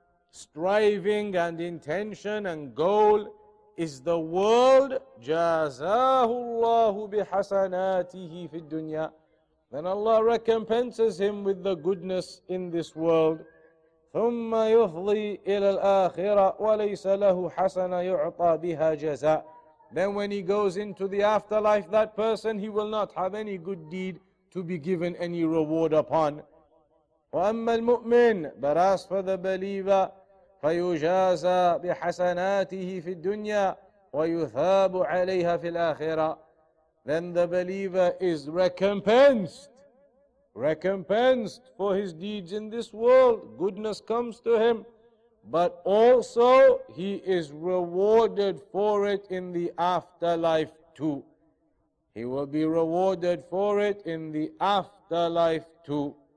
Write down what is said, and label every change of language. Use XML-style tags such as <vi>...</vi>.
<en>striving and intention and goal is the world</en> <ar>جازاه الله بحسناته في الدنيا</ar> <en>then Allah recompenses him with the goodness in this world</en> <ar>ثم يفضي إلى الآخرة وليس له حسنة يعطى بها جزاء.</ar> <en>Then when he goes into the afterlife, that person he will not have any good deed to be given any reward upon.</en> <ar>وأما المؤمن</ar> <en>but as for the believer,</en> <ar>فيجازى بحسناته في الدنيا ويثاب عليها في الآخرة.</ar> <en>Then the believer is recompensed. Recompensed for his deeds in this world, goodness comes to him, but also he is rewarded for it in the afterlife too. He will be rewarded for it in the afterlife too.</en>